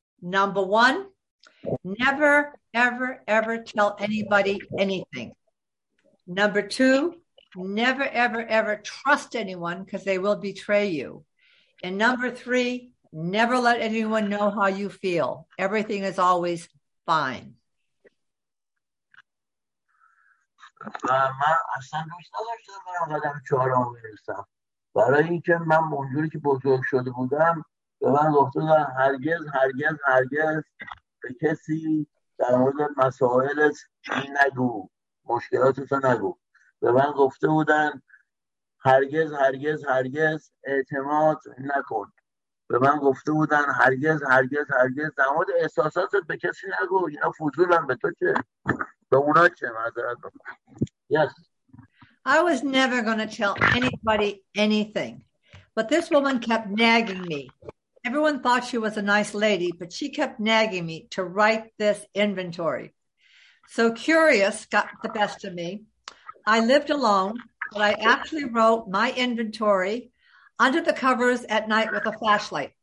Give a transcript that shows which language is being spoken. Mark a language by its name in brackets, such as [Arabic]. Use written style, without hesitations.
[English] Number one, never, ever, ever tell anybody anything. Number two, never, ever, ever trust anyone because they will betray you. And number three, never let anyone know how you feel. Everything is always fine. [Persian] و من اصلا دوست نداشتم برم قدم چهارم برسم، برای اینکه من اونجوری که بزرگ شده بودم به من گفته بودن هرگز هرگز هرگز به کسی در مورد مسائلت چی نگو، مشکلاتت نگو. به من گفته بودن هرگز هرگز هرگز اعتماد نکن. به من گفته بودن هرگز هرگز هرگز در مورد احساساتت به کسی نگو، اینا فضولن، به تو چه، به اونا چه، معذرت بخوام. [English] Yes. I was never going to tell anybody anything, but this woman kept nagging me. Everyone thought she was a nice lady, but she kept nagging me to write this inventory. So curious got the best of me. I lived alone, but I actually wrote my inventory under the covers at night with a flashlight.